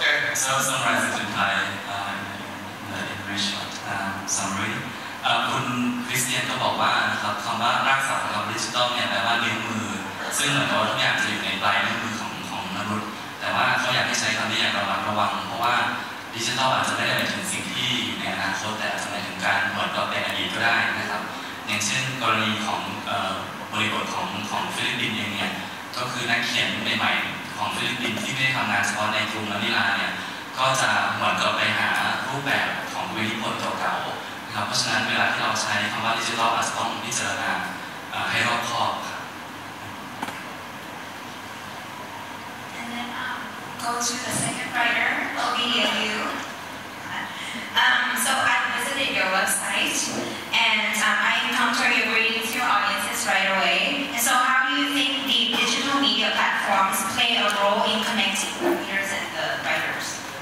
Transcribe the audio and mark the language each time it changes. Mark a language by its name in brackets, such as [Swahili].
[English] So I'll summarize the entire in very short summary. [Thai] คุณคริสเตียนก็บอกว่าครับคำว่ารากศัพท์ของคำดิจิตอลเนี่ยแปลว่านิ้วมือซึ่งเหมือนกับทุกอย่างจะอยู่ในปลายนิ้วมือของมนุษย์แต่ว่าเขาอยากให้ใช้คำนี้อย่างระวังเพราะว่าดิจิตอลอาจจะไม่ได้หมายถึงสิ่งที่อยู่ในอนาคตแต่อาจจะหมายถึงการหมดกับในอดีตก็ได้นะครับอย่างเช่นกรณีของ บริบทของฟิลิปปินส์เองเนี่ยก็คือนักเขียนใหม่ๆของฟิลิปปินส์ที่ไม่ได้ทำงานเฉพาะในกรุงมะนิลาเนี่ยก็จะเหมือนกับไปหารูปแบบของวิริพลเก่าๆนะครับเพราะฉะนั้นเวลาที่เราใช้คำว่าดิจิทัลอาจจะต้องพิจารณาให้รอบคอบ [English] And then go to the second writer, Olivia Liu. So I visited your website and I encountered your greetings to your audiences right away. And so how do you think the digital media platforms play a role in connecting the readers and the writers?